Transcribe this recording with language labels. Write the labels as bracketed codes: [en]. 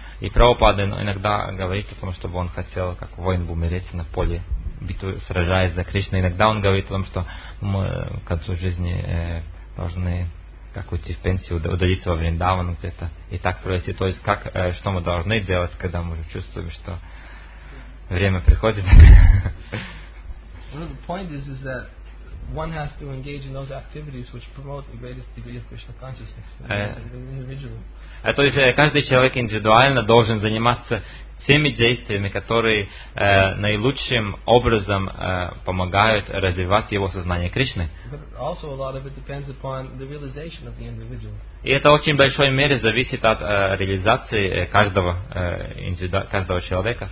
[ru] И Прабхупада иногда говорит о том, чтобы он хотел, как воин, умереть на поле битвы, сражаясь за Кришну. Иногда он говорит о том, что мы к концу жизни должны как уйти в пенсию, удалиться во Вриндаван где-то и так провести. То есть как, что мы должны делать, когда мы чувствуем, что время приходит. [en] Well, the point is that one has to engage in those activities which promote the greatest degree of Krishna consciousness for the individual. [ru] То есть каждый человек индивидуально должен заниматься теми действиями, которые наилучшим образом помогают развивать его сознание Кришны. [en] Also, a lot of it depends upon the realization of the individual. [ru] И это очень большой мере зависит от реализации каждого каждого человека.